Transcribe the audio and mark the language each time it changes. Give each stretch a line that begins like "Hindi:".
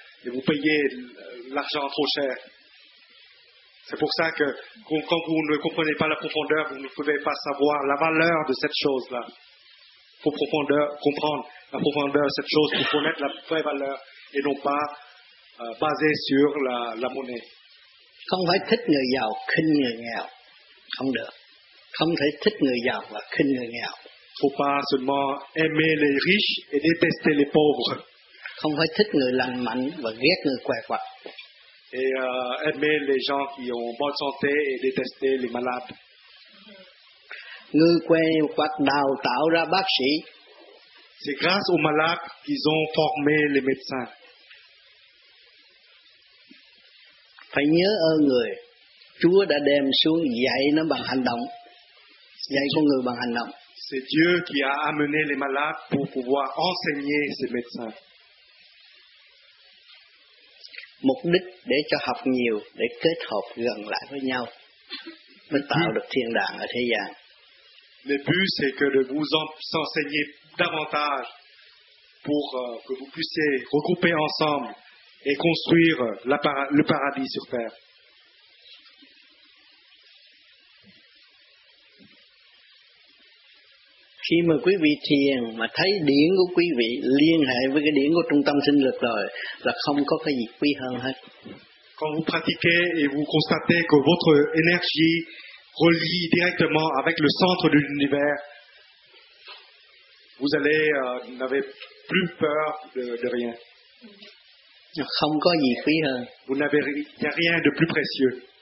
French: Et vous payez l'argent trop cher. C'est pour ça que quand vous ne comprenez pas la profondeur, vous ne pouvez pas savoir la valeur de cette chose-là. Il faut profondeur, comprendre la profondeur de cette chose pour connaître la vraie valeur et non pas basée sur la monnaie.
Vietnamese: Không phải thích người giàu, khinh người nghèo. Không được. Không thể thích người giàu và khinh người nghèo.
French: Faut pas seulement aimer les riches et détester les pauvres.
Vietnamese: Không phải thích người lành mạnh và ghét người què quặt.
French: Et aimer les gens qui ont bonne santé et détester les malades.
Vietnamese: Người què quặt đào tạo ra bác sĩ.
French: C'est grâce aux malades qu'ils ont formé les médecins.
Vietnamese: Phải nhớ ơn người, Chúa đã đem xuống dạy nó bằng hành động, dạy con người bằng hành động.
French: C'est Dieu qui a amené les malades pour pouvoir enseigner ces médecins.
Vietnamese: Mục đích để cho học nhiều, để kết hợp gần lại với nhau, mới tạo được thiên đàng ở thế gian.
French: Le but c'est que de vous enseigner davantage pour que vous puissiez regrouper ensemble et construire le paradis sur terre.
Vietnamese: Khi mà quý vị thiền mà thấy điển của quý vị liên hệ với cái điển của trung tâm sinh lực rồi, là không có cái gì quý hơn hết.
French: Quand vous pratiquez et vous constatez que votre énergie relie directement avec le centre de l'univers, vous allez n'avez plus peur de rien.
Vietnamese: Không có gì quý hơn.
French: Vous n'avez rien de plus précieux.